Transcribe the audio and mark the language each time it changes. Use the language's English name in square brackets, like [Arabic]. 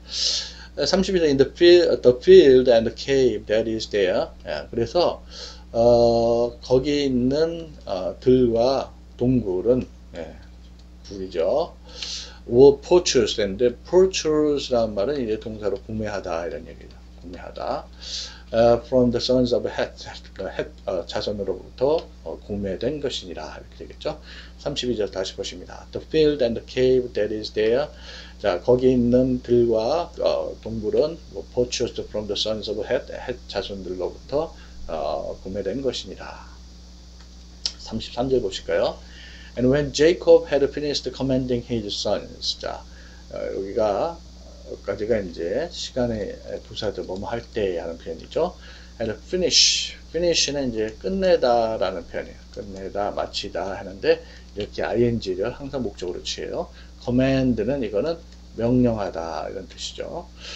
[English] 32절, in the field and the cave that is there. [Korean] 예, 그래서 거기 있는 들과 동굴은 예, 불이죠. Were purchased, and the purchase라는 말은 이제 동사로 구매하다 이런 얘기죠. 구매하다. From the sons of Heth, 자손으로부터 구매된 것이니라 이렇게 되겠죠. 32절 다시 보십니다. [English] The field and the cave that is there. [Korean] 자, 거기 있는 들과 동굴은 뭐, purchased from the sons of Heth, 헷 자손들로부터 구매된 것이니라. 33절 보실까요? [English] And when Jacob had finished commanding his sons. [Korean] 자, 여기가 여기까지가 이제 시간의 부사죠. 뭐뭐 할 때 하는 표현이죠. And finish. finish는 이제 끝내다 라는 표현이에요. 끝내다, 마치다 하는데 이렇게 ing를 항상 목적으로 취해요. command는 이거는 명령하다 이런 뜻이죠.